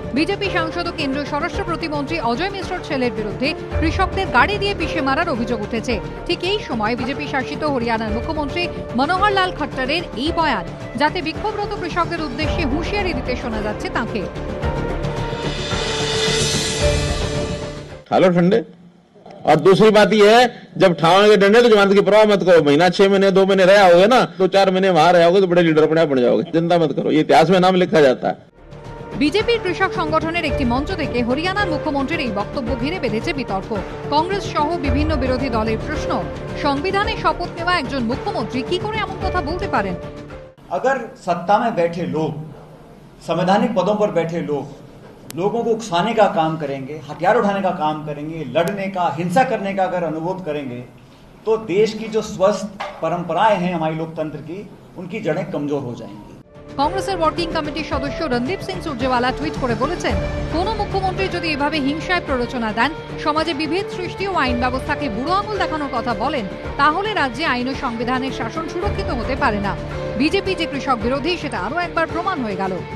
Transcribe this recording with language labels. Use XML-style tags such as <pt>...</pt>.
<bn>BJP সাংসদ ও কেন্দ্রীয় স্বরাষ্ট্র প্রতিমন্ত্রী অজয় মিশ্রর ছেলের বিরুদ্ধে কৃষকদের গাড়ি দিয়ে পিষে মারার অভিযোগ উঠেছে। ঠিক এই সময় বিজেপি শাসিত হরিয়ানার মুখ্যমন্ত্রী মনোহর লাল খট্টারের এই বয়ান, যাতে বিক্ষোভরত কৃষকদের উদ্দেশ্যে হুঁশিয়ারি দিতে শোনা যাচ্ছে তাঁকে।</bn> <hi>और दूसरी बात यह है, जब ठावेंगे डंडे तो जमानत की परवाह मत करो, महीना छह महीने दो महीने रहा होगे ना, दो चार महीने वहां रहा होगे तो बड़े लीडर अपने आप बन जाओगे, चिंता मत करो, ये इतिहास में नाम लिखा जाता है।</hi> <bn>বিজেপির কৃষক সংগঠনের একটি মঞ্চ থেকে হরিয়ানার মুখ্যমন্ত্রীর এই বক্তব্য ঘিরে বেঁধেছে বিতর্ক, কংগ্রেস সহ বিভিন্ন বিরোধী দলের প্রশ্ন। সংবিধানে শপথ নেওয়া একজন মুখ্যমন্ত্রী কি করে এমন কথা বলতে পারেন?</bn> <hi>अगर सत्ता में बैठे लोग, संवैधानिक पदों पर बैठे लोग, लोगों को उकसाने का काम करेंगे, हथियार उठाने का काम करेंगे, लड़ने का, हिंसा करने का अगर अनुभव करेंगे, तो देश की जो स्वस्थ परंपराएं हैं हमारी लोकतंत्र की, उनकी जड़ें कमजोर हो जाएंगी।</hi> <bn>কংগ্রেসের ওয়ার্কিং কমিটির সদস্য রণদীপ সিং সুরজেওয়ালা টুইট করে বলেছেন, কোন মুখ্যমন্ত্রী যদি এভাবে হিংসায় প্ররোচনা দেন, সমাজে বিভেদ সৃষ্টি ও আইন ব্যবস্থাকে বুড়ো আঙুল দেখানোর কথা বলেন, তাহলে রাজ্যে আইন ও সংবিধানের শাসন সুরক্ষিত হতে পারে না। বিজেপি যে কৃষক বিরোধী সেটা আরো একবার প্রমাণ হয়ে গেল।</bn>